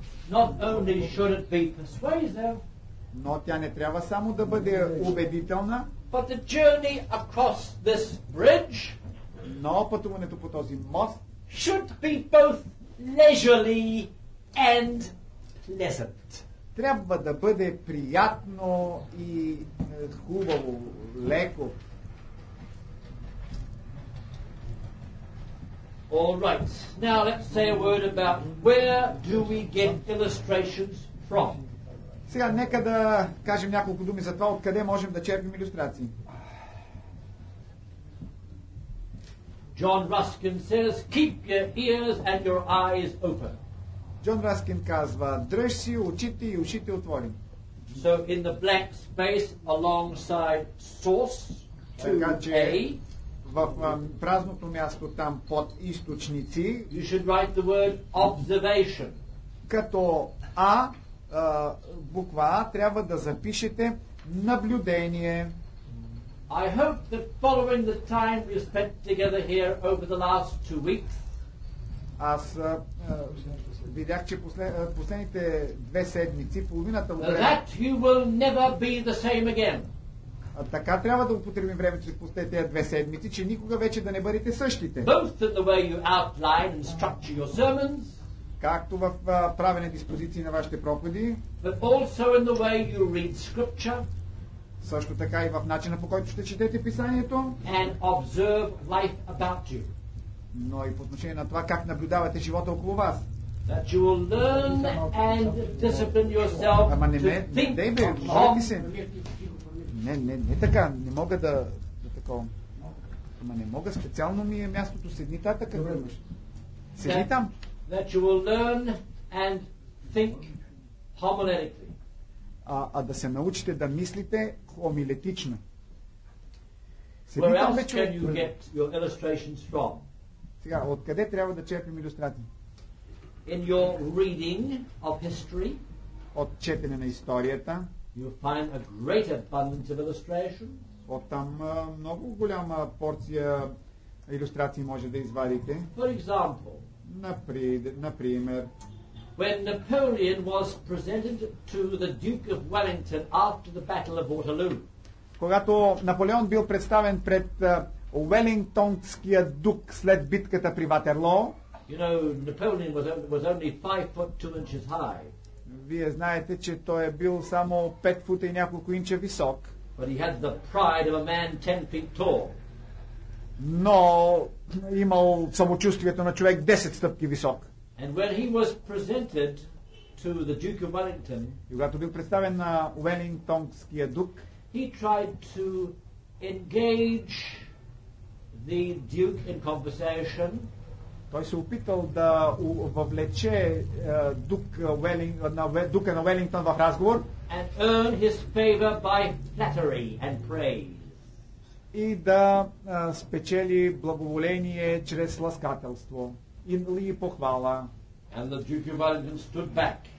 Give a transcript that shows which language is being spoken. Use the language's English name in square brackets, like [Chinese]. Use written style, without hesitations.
[English] Not only should it be persuasive, [Bulgarian] но тя не трябва само да бъде убедителна, [English] but the journey across this bridge, [Bulgarian] но пътуването по този мост [English] should be both leisurely and pleasant. [Bulgarian] Трябва да бъде приятно и хубаво, леко. [English] All right. Now let's say a word about where do we get illustrations from. [Bulgarian] Сега нека да кажем няколко думи за това, откъде можем да черпим илюстрации. [English] John Ruskin says, keep your ears and your eyes open. [Bulgarian] John Ruskin казва, дръж си очите и ушите отвори. [English] So in the black space alongside source 2A, [Bulgarian] в празното място там под източници, [English] you should write the word observation. [Bulgarian] Като А, буква А, трябва да запишете наблюдение. [English] I hope that following the time we spent together here over the last 2 weeks. [Bulgarian] Аз видях, че последните две седмици, половината време. [English] That you will never be the same again. [Bulgarian] Така трябва да употребим времето за последните две седмици, че никога вече да не бъдете същите. [English] Both in the way you outline and structure your sermons. [Bulgarian] Както в правене диспозиции на вашите проповеди. [English] But also in the way you read scripture. [Bulgarian] Също така и в начина, по който ще четете писанието. [English] And observe life about you. [Bulgarian] Но и по отношение на това, как наблюдавате живота около вас. [English] That you will learn and discipline yourself to think. [Bulgarian] Ама не бе, жалки се. Не така, не мога да такова. Ама не мога, специално ми е мястото. Седни тата, как имаш. Седни там. [English] That you will learn and think homiletically. [Bulgarian] А да се научите да мислите хомилетично. [English] Where else can you get your illustrations from? [Bulgarian] Сега, откъде трябва да черпим илюстрации? [English] In your reading of history, [Bulgarian] от четене на историята, [English] you find a great abundance of illustrations. [Bulgarian] От там много голяма порция илюстрации може да извадите. [English] For example, [Bulgarian] например, [English] when Napoleon was presented to the Duke of Wellington after the Battle of Waterloo. [Bulgarian] Когато Наполеон бил представен пред Уелингтонския дук след битката при Ватерлоо. [English] You know, Napoleon was only 5 foot 2 inches high. [Bulgarian] Вие знаете, че той е бил само 5 фута и няколко инча висок. [English] But he had the pride of a man 10 feet tall. [Bulgarian] Но имал самочувствието на човек 10 стъпки висок. [English] And when he was presented to the Duke of Wellington, [Bulgarian] когато бил представен на Уелингтонския дук, [English] he tried to engage the Duke in conversation. [Bulgarian] Той се опитал да въвлече дука на Уелингтон в разговор. [English] And earn his favor by flattery and praise. [Bulgarian] И да спечели благоволение чрез ласкателство. И похвала. [English] And the Duke of Wellington stood back.